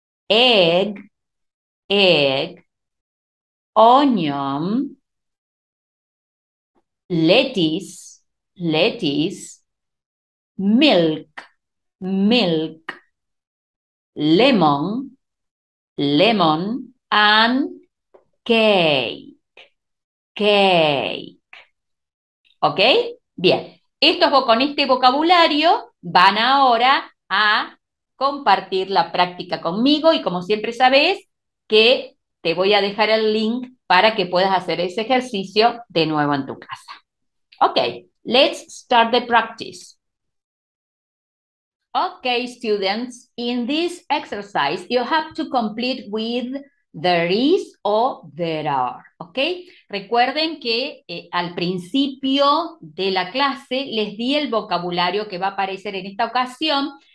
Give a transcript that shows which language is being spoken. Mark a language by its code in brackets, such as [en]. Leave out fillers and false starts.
[en] Egg, egg, onion, lettuce, lettuce, milk, milk, lemon, lemon, and cake, cake. [es] ¿Ok? Bien, con este vocabulario van ahora a compartir la práctica conmigo y como siempre sabes que te voy a dejar el link para que puedas hacer ese ejercicio de nuevo en tu casa. [en] Ok, let's start the practice. Ok, students, in this exercise you have to complete with there is o there are, ok? [es] Recuerden que al principio de la clase les di el vocabulario que va a aparecer en esta ocasión.